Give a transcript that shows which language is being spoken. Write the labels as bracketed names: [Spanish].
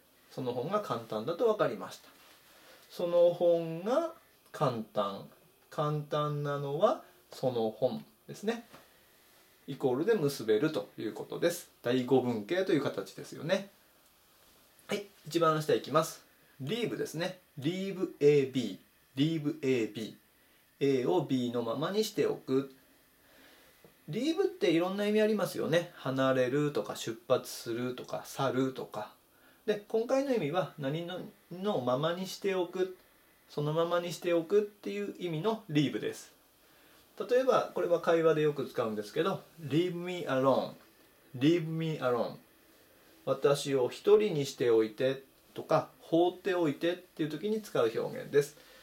[Japanese] その本が簡単だと分かりました。その本が簡単、簡単なのはその本ですね、イコールで結べるということです。第五文型という形ですよね。はい、一番下いきます。Leave ですね。 Leave AB、 Leave AB、 A を B のままにしておく。 Leave っていろんな意味ありますよね。離れるとか出発するとか去るとかで、今回の意味は何のままにしておく、そのままにしておくっていう意味の Leave です。例えばこれは会話でよく使うんですけど、 [English] Leave me alone、 [Japanese] Leave me alone、 私を一人にしておいてとか放っておいてっていう時に使う表現です。